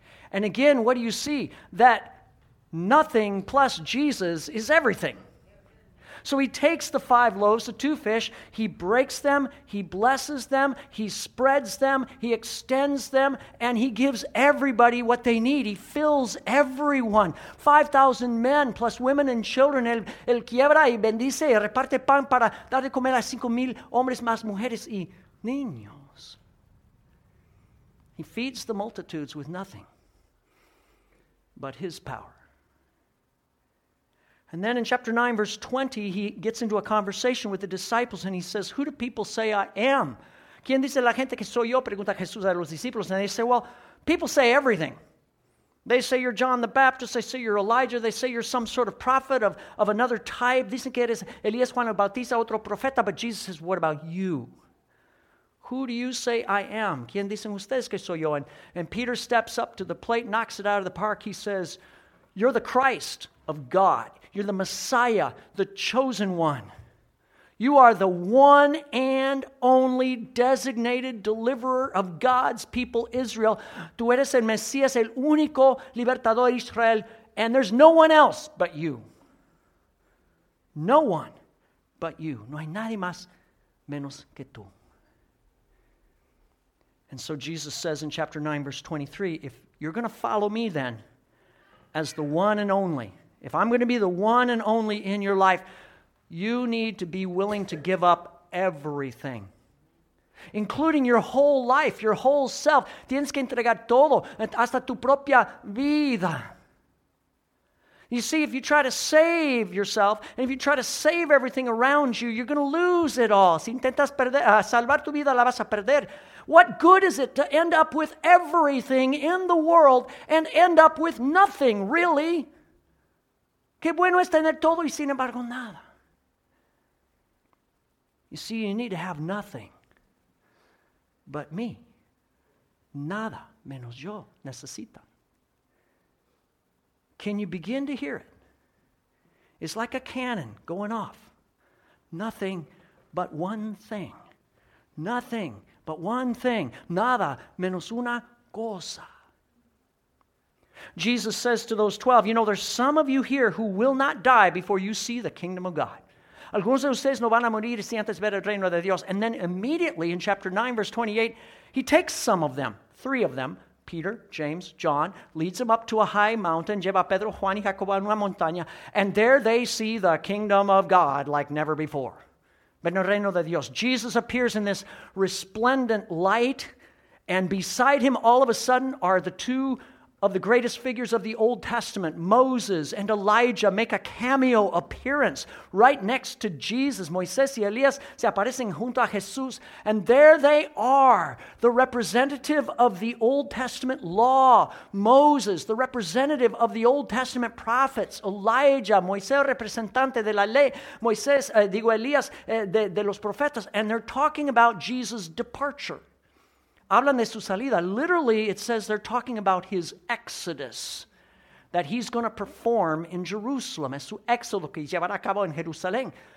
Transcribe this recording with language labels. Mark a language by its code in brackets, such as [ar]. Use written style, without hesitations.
[en] And again, what do you see? That nothing plus Jesus is everything. So he takes the 5 loaves, the 2 fish, he breaks them, he blesses them, he spreads them, he extends them, and he gives everybody what they need. He fills everyone. 5,000 men plus women and children. [es] El quiebra y bendice y reparte pan para dar de comer a 5,000 hombres más mujeres y niños. [en] He feeds the multitudes with nothing but his power. And then in chapter 9, verse 20, he gets into a conversation with the disciples and he says, who do people say I am? [es] ¿Quién dice la gente que soy yo? Pregunta Jesús a los discípulos. [en] And they say, well, people say everything. They say you're John the Baptist. They say you're Elijah. They say you're some sort of prophet of another type. [es] Dicen que eres Elías, Juan el Bautista, otro profeta. [en] But Jesus says, what about you? Who do you say I am? [es] ¿Quién dicen ustedes que soy yo? [en] And Peter steps up to the plate, knocks it out of the park. He says, you're the Christ of God. You're the Messiah, the chosen one. You are the one and only designated deliverer of God's people, Israel. [es] Tú eres el Mesías, el único libertador de Israel, [en] and there's no one else but you. No one but you. [es] No hay nadie más menos que tú. [en] And so Jesus says in chapter 9, verse 23, if you're going to follow me then as the one and only, if I'm going to be the one and only in your life, you need to be willing to give up everything, including your whole life, your whole self. [es] Tienes que entregar todo, hasta tu propia vida. [en] You see, if you try to save yourself, and if you try to save everything around you, you're going to lose it all. [es] Si intentas perder, salvar tu vida, la vas a perder. [en] What good is it to end up with everything in the world and end up with nothing, really? [es] Qué bueno es tener todo y sin embargo nada. [en] You see, you need to have nothing but me. [es] Nada menos yo necesita. [en] Can you begin to hear it? It's like a cannon going off. Nothing but one thing. Nothing but one thing. [es] Nada menos una cosa. [en] Jesus says to those 12, you know, there's some of you here who will not die before you see the kingdom of God. [es] Algunos de ustedes no van a morir si antes ver el reino de Dios. [en] And then immediately in chapter 9, verse 28, he takes some of them, three of them, Peter, James, John, leads them up to a high mountain, [es] lleva a Pedro, Juan y Jacobo a una montaña, [en] and there they see the kingdom of God like never before. [es] Ven el reino de Dios. [en] Jesus appears in this resplendent light, and beside him all of a sudden are the two of the greatest figures of the Old Testament, Moses and Elijah, make a cameo appearance right next to Jesus. [es] Moisés y Elías se aparecen junto a Jesús. [en] And there they are, the representative of the Old Testament law, Moses, the representative of the Old Testament prophets, Elijah, [es] Moisés, representante de la ley, Moisés, digo Elías, de los profetas. [en] And they're talking about Jesus' departure. [es] Hablan de su salida. [en] Literally, it says they're talking about his exodus that he's going to perform in Jerusalem. [es] Es su éxodo que llevará a cabo en Jerusalén.